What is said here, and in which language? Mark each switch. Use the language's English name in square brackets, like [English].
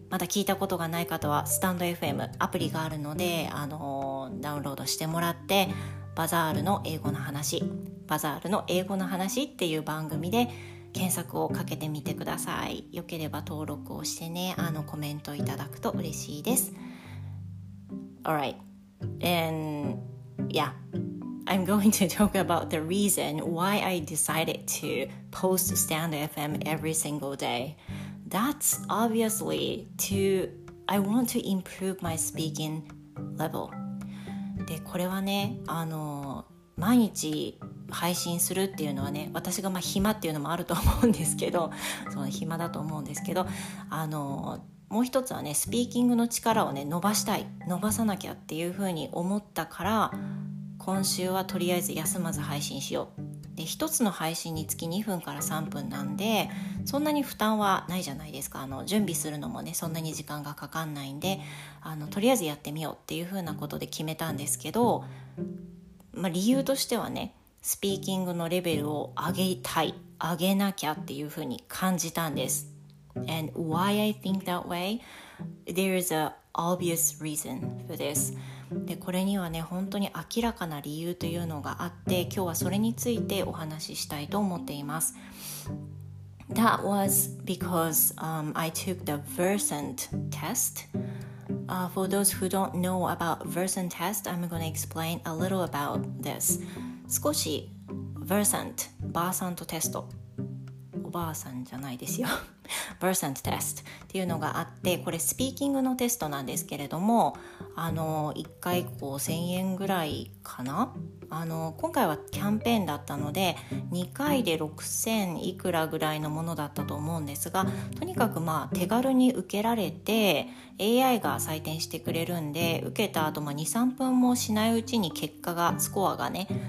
[Japanese] まだ聞いたことがない方はスタンド FM アプリがあるので、ダウンロードしてもらって、バザールの英語の話、バザールの英語の話っていう番組で検索をかけてみてください。よければ登録をしてね、コメントいただくと嬉しいです。 [English] Alright and yeah, I'm going to talk about the reason why I decided to post Stand FM every single day. That's obviously I want to improve my speaking level. [Japanese] で、これはね、毎日配信するっていうのはね、私がまあ暇っていうのもあると思うんですけど、その暇だと思うんですけど、もう一つはね、スピーキングの力をね、伸ばさなきゃっていうふうに思ったから、今週はとりあえず休まず配信しよう。で、一つの配信につき2分から3分なんで、そんなに負担はないじゃないですか。準備するのもね、そんなに時間がかかんないんで、とりあえずやってみようっていうふうなことで決めたんですけど、まあ、理由としてはね、スピーキングのレベルを上げたい、上げなきゃっていうふうに感じたんです。 [English] And why I think that way? There is an obvious reason for this. [Japanese] で、これにはね、本当に明らかな理由というのがあって、今日はそれについてお話ししたいと思っています。 [English] That was because I took the Versant test. For those who don't know about Versant test, I'm going to explain a little about this. [Japanese] 少し Versant、 バーサントテスト、おばあさんじゃないですよVersant test っていうのがあって、これスピーキングのテストなんですけれども、1回5000円ぐらいかな、今回はキャンペーンだったので2回で6000いくらぐらいのものだったと思うんですが、とにかくまあ手軽に受けられて AI が採点してくれるんで、受けた後、まあ2、3分もしないうちに結果が、スコアがね、